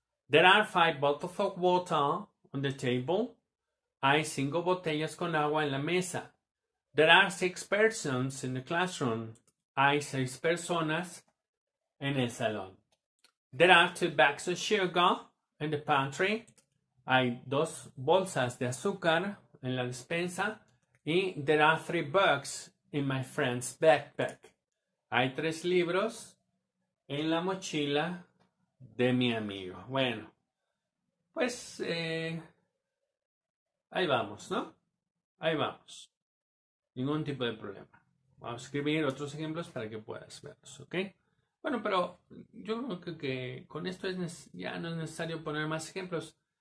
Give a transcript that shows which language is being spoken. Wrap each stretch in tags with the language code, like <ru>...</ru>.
<en>There are five bottles of water on the table.</en> <es>Hay cinco botellas con agua en la mesa.</es> <en>There are six persons in the classroom.</en> <es>Hay seis personas en el salón.</es> <en>There are two bags of sugar in the pantry.</en> <es>Hay dos bolsas de azúcar en la despensa.</es> <en>Y there are three books in my friend's backpack.</en> <es>Hay tres libros en la mochila de mi amigo. Bueno, pues ahí vamos, ¿no? Ahí vamos. Ningún tipo de problema. Vamos a escribir otros ejemplos para que puedas verlos, ¿ok? Bueno, pero yo creo que con esto ya no es necesario poner más ejemplos.</es>